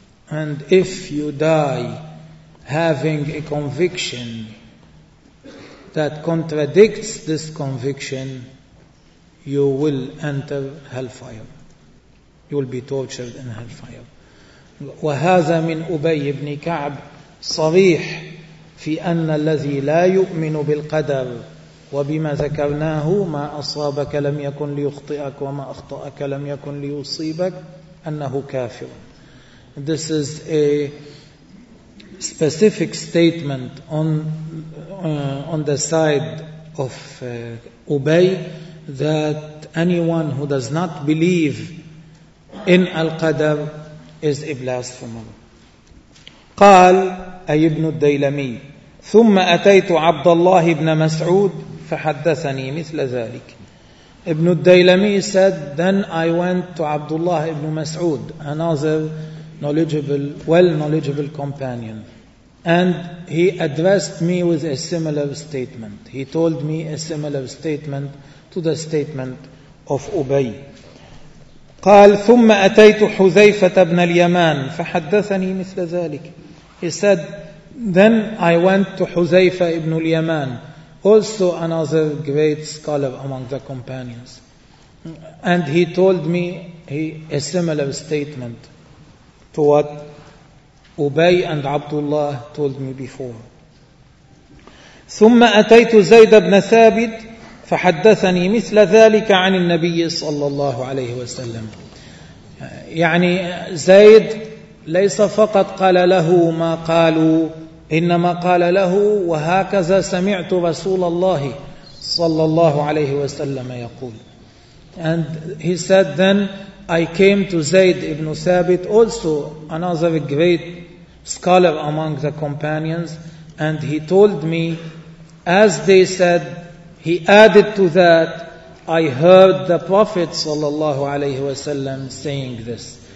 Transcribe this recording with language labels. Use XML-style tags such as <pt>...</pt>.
<en>And if you die having a conviction that contradicts this conviction, you will enter hellfire. You will be tortured in hellfire.</en> <ar>وهذا من أبي بن كعب صريح في أن الذي لا يؤمن بالقدر وبما ذكرناه ما أصابك لم يكن ليخطئك وما أخطأك لم يكن ليصيبك أنه كافر.</ar> <en>This is a specific statement on the side of Ubay that anyone who does not believe in al-qadr is a blasphemer.</en> <ar>قال أي ابن الديلمي ثم أتيت عبد الله بن مسعود فحدثني مثل ذلك.</ar> <en>Ibn al-Daylami said, then I went to Abdullah ibn Mas'ud, another knowledgeable, well-knowledgeable companion. And he addressed me with a similar statement. He told me a similar statement to the statement of Ubay.</en> <ar>قال ثم أتيت حذيفة بن اليمان فحدثني مثل ذلك.</ar> <en>He said, then I went to Huzaifa ibn al-Yaman, also another great scholar among the companions. And he told me a similar statement to what Ubay and Abdullah told me before.</en> <ar>ثم أتيت زيد بن ثابت فحدثني مثل ذلك عن النبي صلى الله عليه وسلم. يعني زيد ليس فقط قال له ما قالوا، إنما قال له وهكذا سمعت رسول الله صلى الله عليه وسلم يقول.</ar> <en>And he said, then I came to Zayd ibn Thabit, also another great scholar among the companions, and he told me, as they said, he added to that, I heard the Prophet صلى الله عليه وسلم saying this.</en>